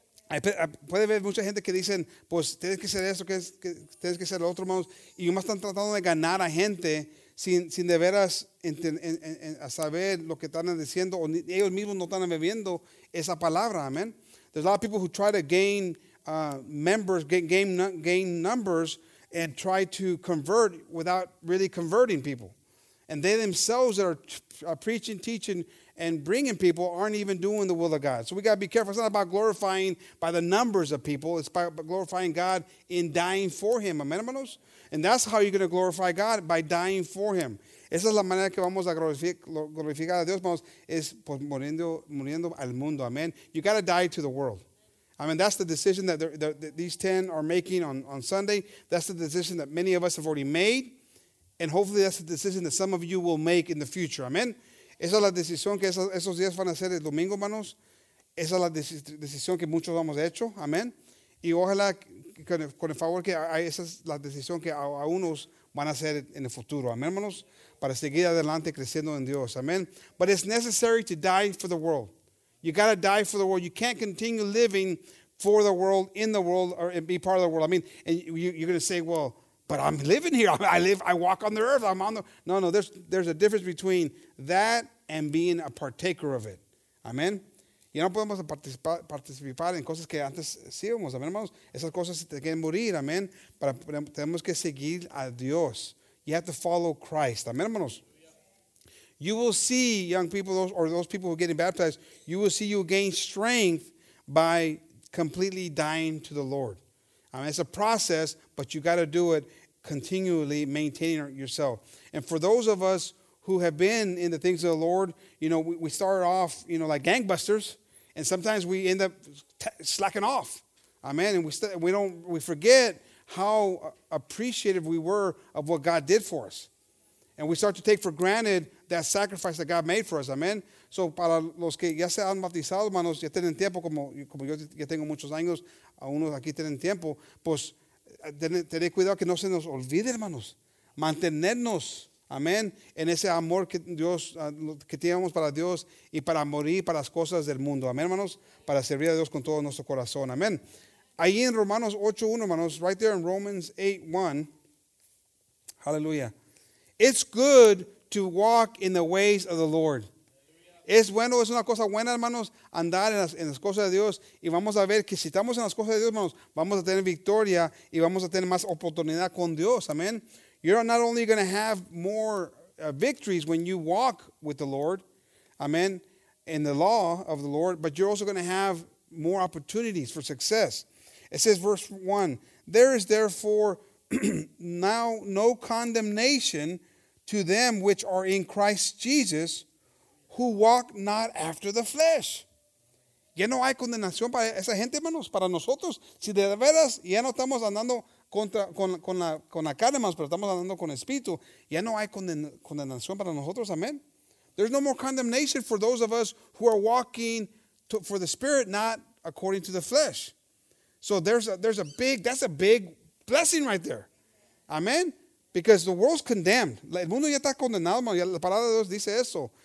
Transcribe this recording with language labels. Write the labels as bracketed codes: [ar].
[es] Puede haber mucha gente que dicen, pues tienes que hacer esto, tienes que hacer lo otro, hermanos. Y más están tratando de ganar a gente sin de veras a saber lo que están diciendo. O ellos mismos no están bebiendo esa palabra, amen. [en] There's a lot of people who try to gain members, gain numbers, and try to convert without really converting people. And they themselves that are preaching, teaching, and bringing people aren't even doing the will of God. So we got to be careful. It's not about glorifying by the numbers of people. It's by glorifying God in dying for him. Amen, hermanos? And that's how you're going to glorify God, by dying for him. [es] Esa es la manera que vamos a glorificar a Dios, hermanos, es muriendo al mundo. Amen. [en] You got to die to the world. I mean, that's the decision that these 10 are making on Sunday. That's the decision that many of us have already made. And hopefully that's the decision that some of you will make in the future. Amen. [es] Esa es la decisión que esos días van a ser el domingo, hermanos. Esa es la decisión que muchos hemos hecho. Amén. Y ojalá, con el favor, que esa es la decisión que a unos van a hacer en el futuro. Amén, hermanos. Para seguir adelante creciendo en Dios. Amén. [en] But it's necessary to die for the world. You got to die for the world. You can't continue living for the world, in the world, or be part of the world. I mean, and you're going to say, well, but I'm living here. I walk on the earth. I'm on the... No, there's a difference between that and being a partaker of it. Amen. [es] Y no podemos participar en cosas que antes hacíamos. Amen, hermanos. Esas cosas se tienen que morir. Amen. Pero tenemos que seguir a Dios. [en] You have to follow Christ. Amen, hermanos. You will see young people, those people who are getting baptized, you will see you gain strength by completely dying to the Lord. I mean, it's a process, but you got to do it continually, maintaining yourself. And for those of us who have been in the things of the Lord, you know, we start off, you know, like gangbusters, and sometimes we end up slacking off. Amen. And we forget how appreciative we were of what God did for us. And we start to take for granted that sacrifice that God made for us. Amen. [es] So para los que ya se han bautizado, hermanos, ya tienen tiempo, como yo ya tengo muchos años, a unos aquí tienen tiempo, pues tener cuidado que no se nos olvide, hermanos. Mantenernos, amén, en ese amor que Dios, que teníamos para Dios y para morir para las cosas del mundo. Amén, hermanos, para servir a Dios con todo nuestro corazón. Amén. Ahí en Romanos 8:1, hermanos, [en] right there in Romans 8:1, hallelujah. It's good to walk in the ways of the Lord. [es] Es bueno, es una cosa buena, hermanos, andar en las cosas de Dios. Y vamos a ver que si estamos en las cosas de Dios, hermanos, vamos a tener victoria y vamos a tener más oportunidad con Dios. Amen. [en] You're not only going to have more victories when you walk with the Lord, amen, in the law of the Lord, but you're also going to have more opportunities for success. It says, verse 1, there is therefore now no condemnation to them which are in Christ Jesus, who walk not after the flesh. [es] Ya no hay condenación para esa gente, hermanos, para nosotros. Si de veras ya no estamos andando con la carne, hermanos, pero estamos andando con el espíritu, ya no hay condenación para nosotros, amen. [en] There's no more condemnation for those of us who are walking for the spirit, not according to the flesh. So that's a big blessing right there. Amen. Because the world's condemned. [es] El mundo ya está condenado, hermanos. La palabra de Dios dice eso.